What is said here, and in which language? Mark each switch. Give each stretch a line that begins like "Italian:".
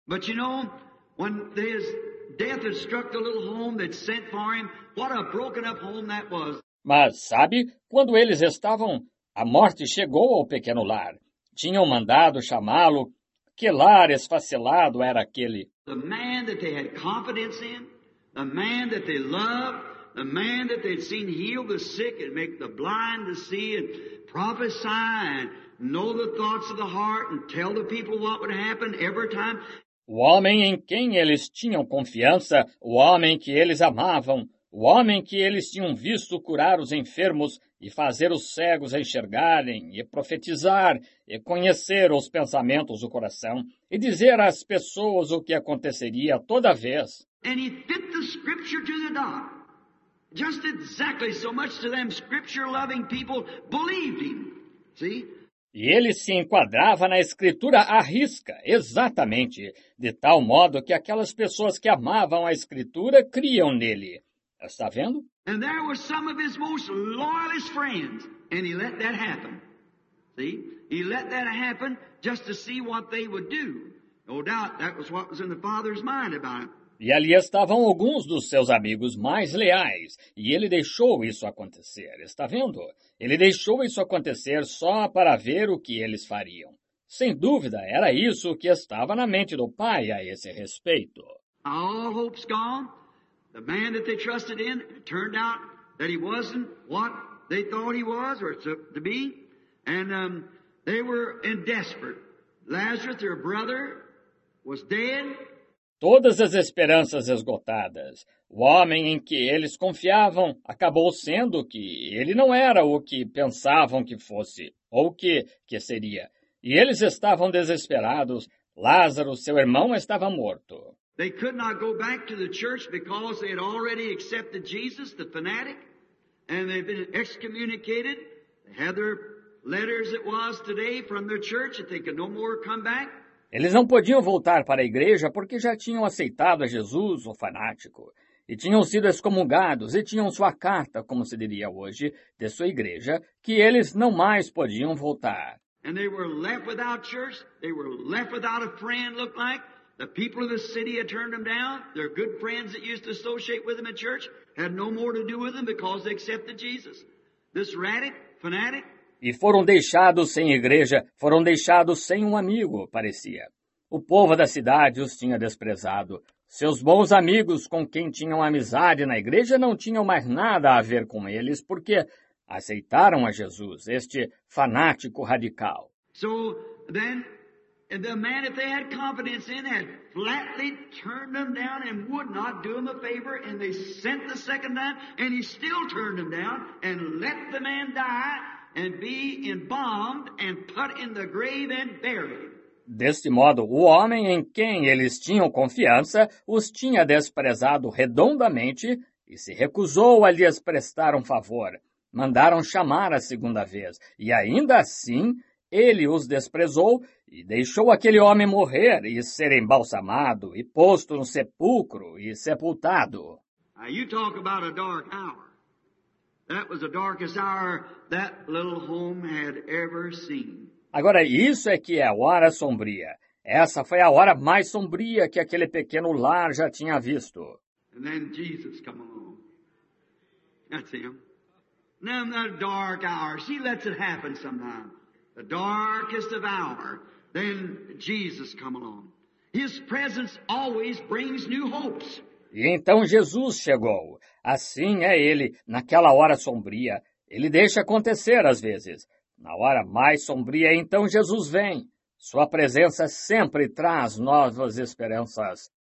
English: But you know, when his death had struck the little home that sent for him, what a broken up home that was.
Portuguese: Mas sabe, quando eles estavam, a morte chegou ao pequeno lar. Tinham mandado chamá-lo. Que lar esfacelado era aquele?
English: The man that they had confidence in, the man that they loved, the man that they'd seen heal the sick and make the blind to see and prophesy and know the thoughts of the heart and tell the people what would happen every time.
Portuguese: O homem em quem eles tinham confiança, o homem que eles amavam, o homem que eles tinham visto curar os enfermos e fazer os cegos enxergarem e profetizar e conhecer os pensamentos do coração e dizer às pessoas o que aconteceria toda vez.
English: And he fit the scripture to the dot. Just exactly so much to them scripture-loving people believed him. See?
Portuguese: E ele se enquadrava na Escritura à risca, exatamente, de tal modo que aquelas pessoas que amavam a Escritura criam nele. Está vendo?
English: And there were some of his most loyalist friends, and he let that happen. See? He let that happen just to see what they would do. No doubt that was what was in the Father's mind about it.
Portuguese: E ali estavam alguns dos seus amigos mais leais, e ele deixou isso acontecer, está vendo? Ele deixou isso acontecer só para ver o que eles fariam. Sem dúvida, era isso que estava na mente do pai a esse respeito.
English: All hope's gone. The man that they trusted in turned out that he wasn't what they thought he was or to be. And they were in desperate. Lazarus, their brother, was dead.
Portuguese: Todas as esperanças esgotadas. O homem em que eles confiavam acabou sendo que ele não era o que pensavam que fosse, ou que seria. E eles estavam desesperados. Lázaro, seu irmão, estava morto.
English: They could not go back to the church because they had already accepted Jesus, the fanatic, and they've been excommunicated. They had their letters, it was today, from their church that they could no more come back.
Portuguese: Eles não podiam voltar para a igreja porque já tinham aceitado a Jesus, o fanático, e tinham sido excomungados e tinham sua carta, como se diria hoje, de sua igreja, que eles não mais podiam voltar.
English: And they were left without church, they were left without a friend, looked like. The people of the city had turned them down. Their good friends that used to associate with them at church had no more to do with them because they accepted Jesus. This radic, fanatic,
Portuguese: e foram deixados sem igreja, foram deixados sem um amigo, parecia. O povo da cidade os tinha desprezado. Seus bons amigos com quem tinham amizade na igreja não tinham mais nada a ver com eles, porque aceitaram a Jesus, este fanático radical.
English: So, then, the man that they had confidence in had flatly turned them down and would not do them a favor, and they sent the second man, and he still turned them down and let the man die. And be embalmed and put in the grave and buried.
Portuguese: Deste modo, o homem em quem eles tinham confiança os tinha desprezado redondamente e se recusou a lhes prestar um favor. Mandaram chamar a segunda vez, e ainda assim ele os desprezou e deixou aquele homem morrer e ser embalsamado e posto no sepulcro e sepultado.
English: Now you talk about a dark hour. That was the darkest hour that little home had ever seen.
Portuguese: Agora, isso é que é a hora sombria. Essa foi a hora mais sombria que aquele pequeno lar já tinha visto.
English: And then Jesus come along. That's him. Now in that dark hour, she lets it happen sometime. The darkest of hour, then Jesus come along. His presence always brings new hopes.
Portuguese: E então Jesus chegou. Assim é ele, naquela hora sombria. Ele deixa acontecer às vezes. Na hora mais sombria, então Jesus vem. Sua presença sempre traz novas esperanças.